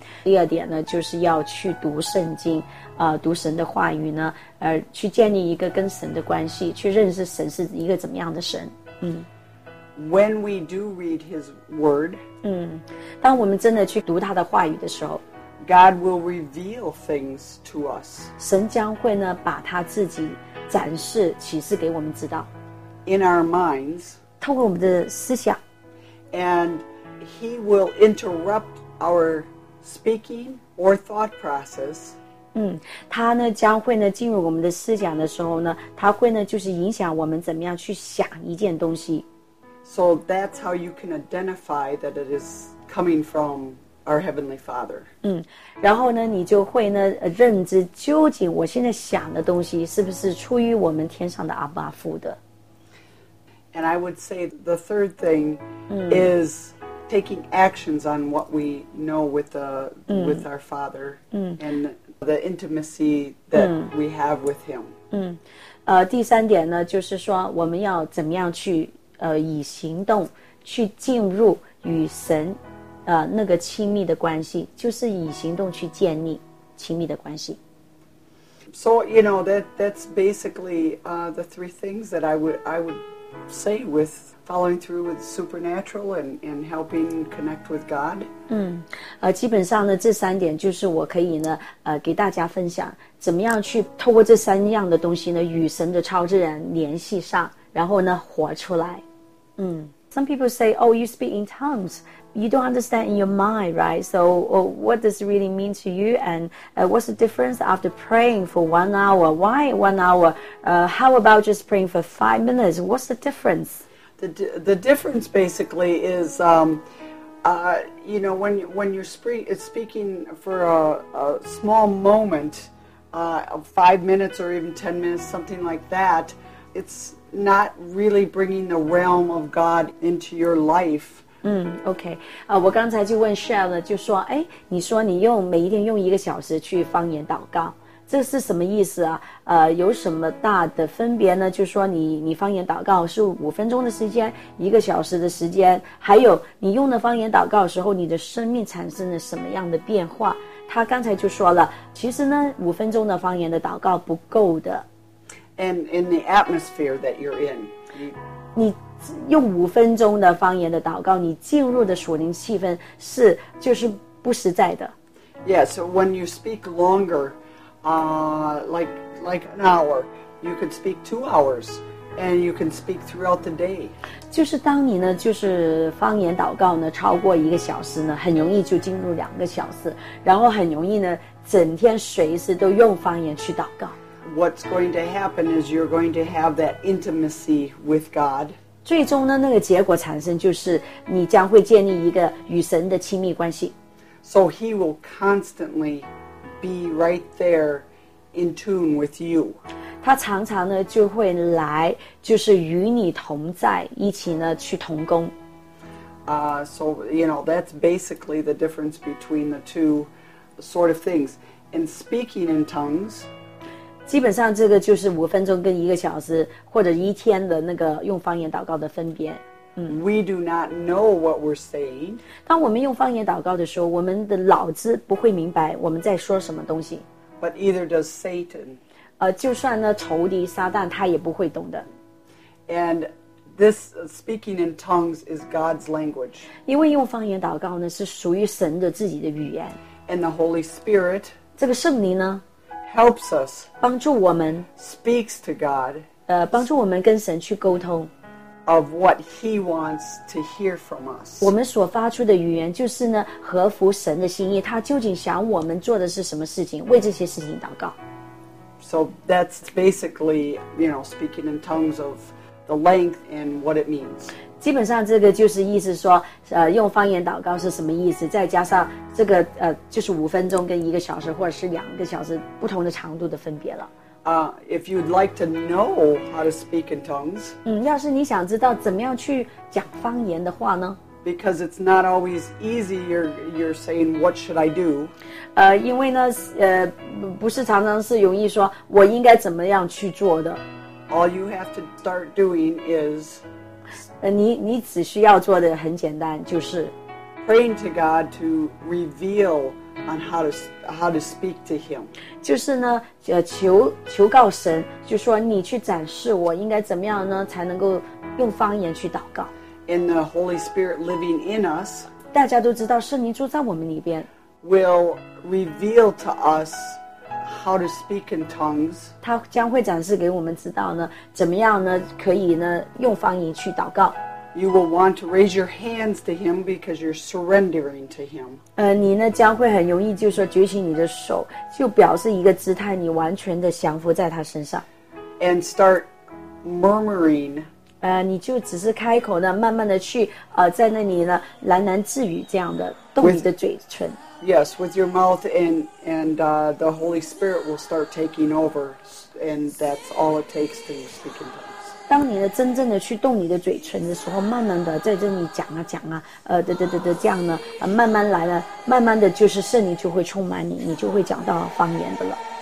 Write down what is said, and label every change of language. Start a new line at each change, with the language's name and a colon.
Chinese: 第二点呢就是要去读圣经，读神的话语呢，去建立一个跟神的关系，去认识神是一个怎么样的神。
English: When we do read his word,
Chinese: 当我们真的去读他的话语的时候，
English: God will reveal things to us.
Chinese: 神将会呢把他自己展示启示给我们知道。
English: In our minds,
Chinese: 透过我们的思想。
English: And he will interrupt our speaking or thought process.
Chinese: 他呢将会呢进入我们的思想的时候呢，他会呢就是影响我们怎么样去想一件东西。
English: So that's how you can identify that it is coming from Our Heavenly Father.
Chinese: 然后呢，你就会呢认知究竟我现在想的东西是不是出于我们天上的阿爸父的。
English: And I would say the third thing is taking actions on what we know with the with our Father and the intimacy that we have with Him.
Chinese: 第三点呢，就是说我们要怎么样去以行动去进入与神。那个亲密的关系，就是以行动去建立亲密的关系。
English: So you know that's basically the three things that I would say with following through with supernatural and helping connect with God.
Chinese: 基本上呢，这三点就是我可以呢给大家分享，怎么样去透过这三样的东西呢，与神的超自然联系上，然后呢活出来。
English: Some people say, "Oh, you speak in tongues." You don't understand in your mind, right? So, what does it really mean to you? And what's the difference after praying for 1 hour? Why 1 hour? How about just praying for 5 minutes? What's the difference? The difference basically is, you know, when you're speaking for a small moment, 5 minutes or even 10 minutes, something like that, it's. Not really bringing the realm of God into your life. Okay.
Chinese: 我刚才就问 Shell 了，就说，哎，你说你用每一天用一个小时去方言祷告，这是什么意思啊？有什么大的分别呢？就说你方言祷告是5分钟的时间，一个小时的时间，还有你用的方言祷告的时候，你的生命产生了什么样的变化？他刚才就说了，其实呢，5分钟的方言的祷告不够的。
English: And in the atmosphere that you're in,
Chinese: 你用五分钟的方言的祷告，你进入的属灵气氛是就是不实在的。
English: Yes, when you speak longer, like an hour, you could speak 2 hours, and you can speak throughout the day.
Chinese: 就是当你呢，就是方言祷告呢超过一个小时呢，很容易就进入2个小时，然后很容易呢，整天随时都用方言去祷告。
English: What's going to happen is you're going to have that intimacy with God.
Chinese: 最终呢，那个结果产生就是你将会建立一个与神的亲密关系。
English: So he will constantly be right there in tune with you.
Chinese: 他常常呢就会来，就是与你同在，一起呢去同工。
English: So you know that's basically the difference between the two sort of things. And speaking in tongues.
Chinese: 基本上这个就是五分钟跟一个小时或者一天的那个用方言祷告的分别。
English: We do not know what we're saying.
Chinese: 当我们用方言祷告的时候，我们的脑子不会明白我们在说什么东西。
English: But either does Satan.
Chinese: 就算呢仇敌撒旦他也不会懂的。
English: And this speaking in tongues is God's language.
Chinese: 因为用方言祷告呢是属于神的自己的语言。
English: And the Holy Spirit.
Chinese: 这个圣灵呢
English: Helps us,
Chinese: 帮助我们
English: speaks to God,
Chinese: 帮助我们跟神去沟通
English: of what He wants to hear from us.
Chinese: 我们所发出的语言就是呢，合乎神的心意。他究竟想我们做的是什么事情？为这些事情祷告。
English: So that's basically, you know, speaking in tongues of the length and what it means.
Chinese: 基本上这个就是意思说，用方言祷告是什么意思？再加上。这个就是五分钟跟一个小时或者是2个小时不同的长度的分别了。
English: If you'd like to know how to speak in tongues,
Chinese: 要是你想知道怎么样去讲方言的话呢？
English: Because it's not always easy, you're saying, what should I do?
Chinese: 因为呢，不是常常是容易说我应该怎么样去做的。
English: All you have to start doing is,
Chinese: 你只需要做的很简单，就是
English: praying to God to reveal on how to speak to Him.
Chinese: 就是呢，求告神，就说你去展示我应该怎么样呢，才能够用方言去祷告。
English: In the Holy Spirit living in us,
Chinese: 大家都知道圣灵住在我们里边
English: will reveal to us how to speak in tongues.
Chinese: 他将会展示给我们知道呢，怎么样呢，可以呢用方言去祷告。
English: You will want to raise your hands to Him because you're surrendering to Him.
Chinese: 你呢将会很容易就说举起你的手，就表示一个姿态，你完全的降服在他身上。
English: And start murmuring.
Chinese: 你就只是开口呢，慢慢的去，在那里呢喃喃自语这样的，动你的嘴唇。
English: Yes, with your mouth and the Holy Spirit will start taking over, and that's all it takes to speak in tongues.
Chinese: 当你呢真正的去动你的嘴唇的时候，慢慢的在这里讲啊，这样呢，慢慢来了，慢慢的就是圣灵就会充满你，你就会讲到方言的了。